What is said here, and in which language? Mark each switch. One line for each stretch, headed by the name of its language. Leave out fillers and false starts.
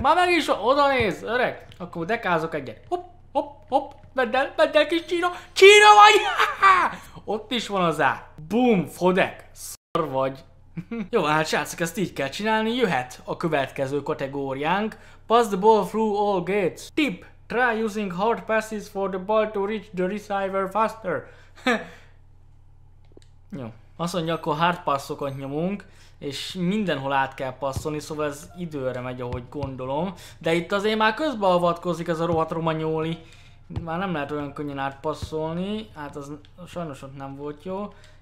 Hungarian: Már meg is van, oda néz, öreg! Akkor dekázok egyet, hopp, hopp, hopp, vedd el kis csíra, csíra vagy! Ott is van az ám, boom, fodek, szar vagy. Jó, hát srácok, ezt így kell csinálni, jöhet a következő kategóriánk.
English: Pass the ball through all gates. Tip, try using hard passes for the ball to reach the receiver faster.
Hungarian: Jó. Azt mondja, akkor hard passzokat nyomunk, és mindenhol át kell passzolni, szóval ez időre megy, ahogy gondolom. De itt azért már közbeavatkozik ez a rohadt romagnoli. Már nem lehet olyan könnyen átpasszolni, hát az sajnos ott nem volt jó.